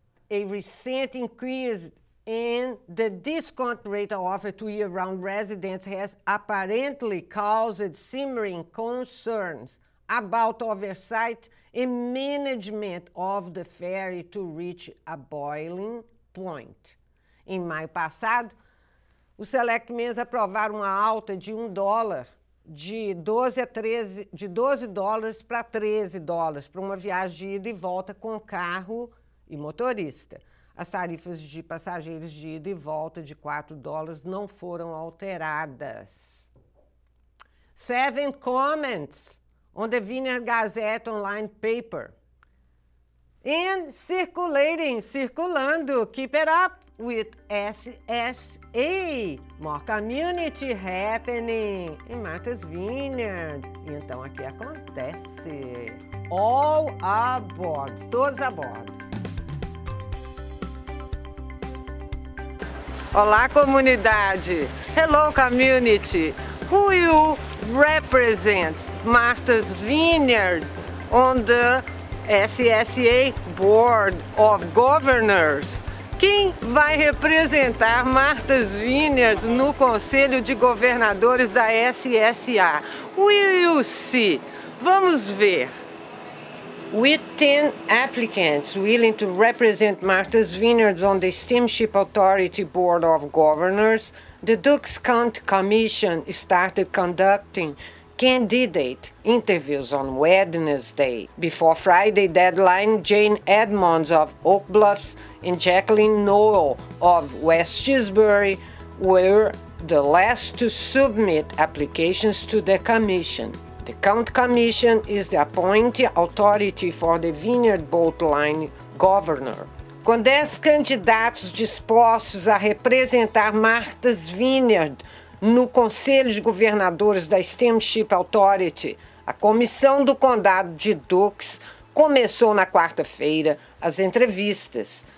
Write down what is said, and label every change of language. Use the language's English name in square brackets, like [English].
[English] A recent increase in the discount rate offered to year-round residents has apparently caused simmering concerns about oversight and management of the ferry to reach a boiling point. [Portuguese] Em maio passado, os selectmen aprovaram uma alta de $1 de 12 dólares para $13 para uma viagem de ida e volta com carro e motorista. As tarifas de passageiros de ida e volta de $4 não foram alteradas. [English] 7 comments on the Wiener Gazette online paper. And circulando, keep it up with SSA, more community happening in Martha's Vineyard. [Portuguese] Então aqui acontece. [English] All aboard, [Portuguese] todos a bordo. Olá, comunidade! [English] Hello, community! Who you represent Martha's Vineyard on the SSA Board of Governors? [Portuguese] Quem vai representar Martha's Vineyard no Conselho de Governadores da SSA? [English] Will you see? [Portuguese] Vamos ver. [English] With 10 applicants willing to represent Martha's Vineyard on the Steamship Authority Board of Governors, the Dukes County Commission started conducting candidate interviews on Wednesday. Before Friday deadline, Jane Edmonds of Oak Bluffs and Jacqueline Noel of West Chisbury were the last to submit applications to the commission. The County Commission is the appointing authority for the Vineyard Boat Line Governor. [Portuguese] Com 10 candidatos dispostos a representar Martha's Vineyard no Conselho de Governadores da Steamship Authority, a Comissão do Condado de Dukes começou na quarta-feira as entrevistas.